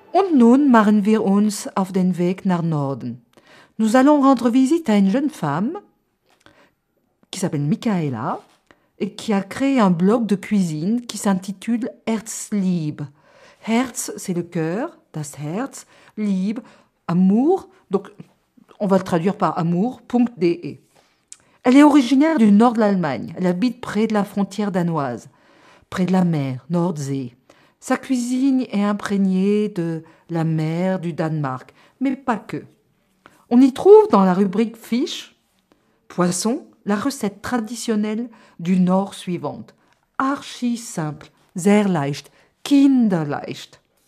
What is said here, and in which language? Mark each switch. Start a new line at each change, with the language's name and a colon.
German: Nun machen wir uns auf den Weg nach Norden.
French: Nous allons rendre visite à une jeune femme qui s'appelle Michaela et qui a créé un blog de cuisine qui s'intitule Herzlieb. Herz, c'est le cœur,
German: das Herz,
French: Lieb, amour, donc on va le traduire par amour.de. Elle est originaire du nord de l'Allemagne. Elle habite près de la frontière danoise, près de la mer, Nordsee. Sa cuisine est imprégnée de la mer du Danemark, mais pas que. On y trouve dans la rubrique fish, poisson, la recette traditionnelle du Nord suivante. Archi simple,
German: sehr leicht, kinderleicht.